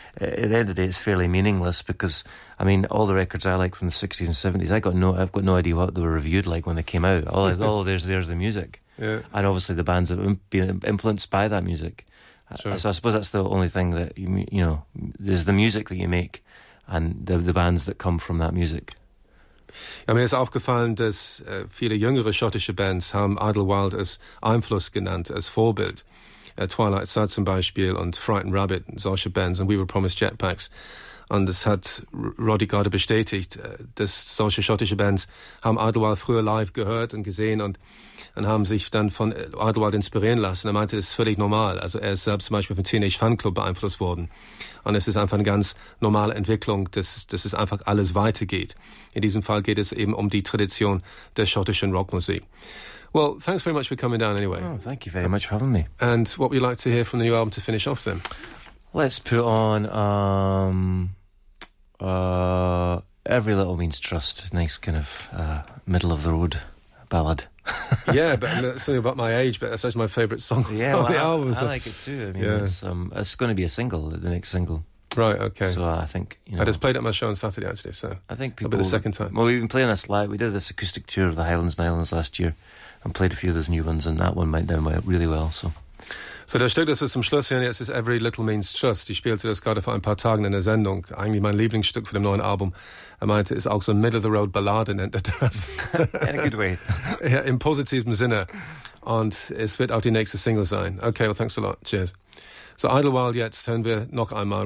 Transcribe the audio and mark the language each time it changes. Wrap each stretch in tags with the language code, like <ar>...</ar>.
<en>At the end of the day, it's fairly meaningless because. I mean, all the records I like from the 60s and 70s, I've got no idea what they were reviewed like when they came out. There's the music. Yeah. And obviously the bands have been influenced by that music. Sure. So I suppose that's the only thing that, you know, there's the music that you make and the bands that come from that music.</en> <de>Ja, mir ist aufgefallen, dass viele jüngere schottische Bands haben Idlewild als Einfluss genannt, als Vorbild. Twilight Sad zum Beispiel und Frightened Rabbit, solche Bands, und We Were Promised Jetpacks. Und das hat Roddy gerade bestätigt, dass solche schottische Bands haben Idlewild früher live gehört und gesehen und haben sich dann von Idlewild inspirieren lassen. Er meinte, es ist völlig normal. Also er ist selbst zum Beispiel vom Teenage Fan Club beeinflusst worden. Und es ist einfach eine ganz normale Entwicklung, dass es einfach alles weitergeht. In diesem Fall geht es eben um die Tradition der schottischen Rockmusik.</de> <en>Well, thanks very much for coming down anyway. Oh, thank you very much for having me. And what would you like to hear from the new album to finish off then? Let's put on Every Little Means Trust, nice kind of middle-of-the-road ballad. Yeah, but that's something about my age, but that's actually my favourite song on the album. So. I like it too. I mean, it's going to be a single, the next single. Right, okay. So I think, you know... I just played it at my show on Saturday, actually, so... I think people... It'll be the second time. Well, we've been playing this live. We did this acoustic tour of the Highlands and Islands last year and played a few of those new ones, and that one went down really well, so...</en> <de>So, das Stück, das wir zum Schluss hören, jetzt ist Every Little Means Trust. Ich spielte das gerade vor ein paar Tagen in der Sendung. Eigentlich mein Lieblingsstück für dem neuen Album. Er meinte, es ist auch so ein Middle-of-the-Road-Ballade, nennt er das.</de> <en>In a good way.</en> <de>Ja, im positiven Sinne. Und es wird auch die nächste Single sein.</de> <en>Okay, well, thanks a lot. Cheers. So, Idlewild</en> <de>jetzt hören wir noch einmal.</de>